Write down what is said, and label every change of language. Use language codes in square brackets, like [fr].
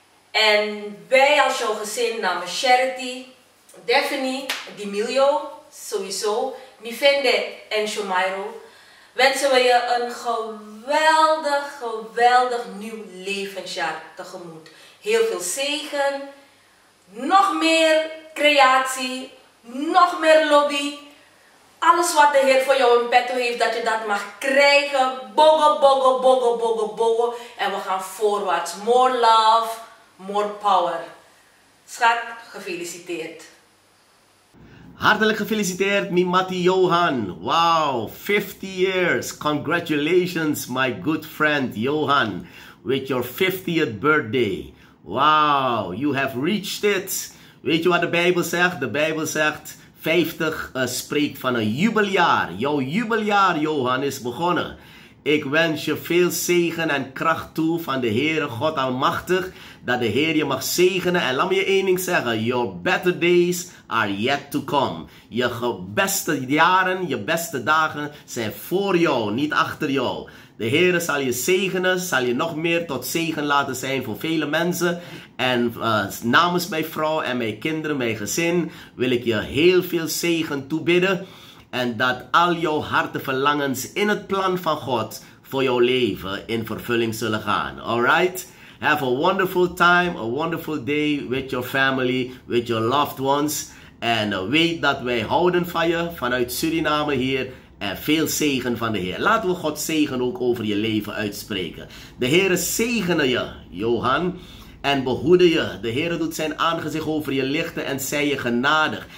[nl] En wij als jouw gezin namen Charity, Daphne, Dimilio, sowieso, Mivende en Shomairo, wensen we je een geweldig, geweldig nieuw levensjaar tegemoet. Heel veel zegen, nog meer creatie, nog meer lobby. Alles wat de Heer voor jou in petto heeft, dat je dat mag krijgen. Bogo, bogo, bogo, bogo, bogo. En we gaan voorwaarts. [en] More love, more power. [nl] Schat, gefeliciteerd. Hartelijk gefeliciteerd, mijn mattie Johan. [en] Wow, 50 years. Congratulations, my good friend Johan, with your 50th birthday. Wow, you have reached it. [nl] Weet je wat de Bijbel zegt? De Bijbel zegt, 50 spreekt van een jubeljaar. Jouw jubeljaar, Johan, is begonnen. Ik wens je veel zegen en kracht toe van de Heere God Almachtig. Dat de Heer je mag zegenen. En laat me je één ding zeggen. [en] Your better days are yet to come. [nl] Je beste jaren, je beste dagen zijn voor jou, niet achter jou. De Heer zal je zegenen, zal je nog meer tot zegen laten zijn voor vele mensen. En namens mijn vrouw en mijn kinderen, mijn gezin, wil ik je heel veel zegen toebidden. En dat al jouw harteverlangens in het plan van God voor jouw leven in vervulling zullen gaan. [en] Alright? Have a wonderful time, a wonderful day with your family, with your loved ones. [nl] En weet dat wij houden van je vanuit Suriname hier. En veel zegen van de Heer. Laten we Gods zegen ook over je leven uitspreken. De Heer zegene je, Johan. En behoede je. De Heere doet zijn aangezicht over je lichten en zij je genadig.